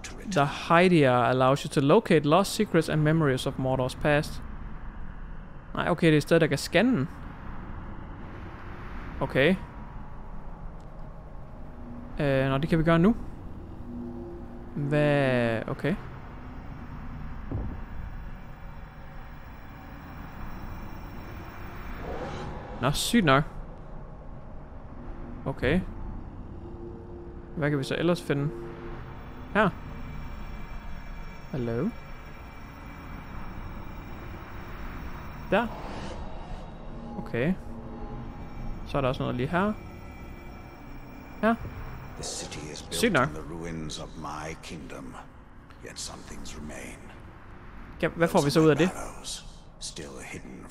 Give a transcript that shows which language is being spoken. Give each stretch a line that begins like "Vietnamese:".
English: The Hydea allows you to locate lost secrets and memories of Mordor's past.
Danish: Nej, okay, det er et sted, der kan scanne. Okay. Nå, det kan vi gøre nu. Hvad... Okay. Nå, sygt nok. Okay. Hvad kan vi så ellers finde? Her. Hallo? Der. Okay. Så er der også noget lige her. Her.
English: The city is built on the ruins of my kingdom. Yet some things remain.
Danish: Hvad får vi så ud af det?
English: Still hidden